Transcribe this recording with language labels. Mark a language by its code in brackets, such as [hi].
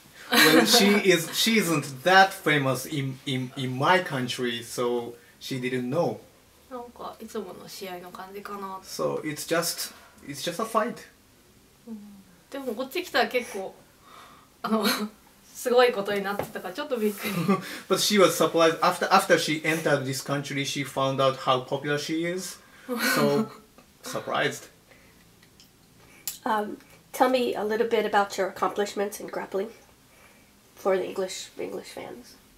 [en] Well, she isn't that famous in my country, so she didn't know. [ja] なんかいつもの試合の感じかな。 [en] So it's just a fight. [ja] でもこっち来たら結構あの [en] But she was surprised. After she entered this country, she found out how popular she is. So, surprised. Tell me a little bit about your accomplishments in grappling for the English fans.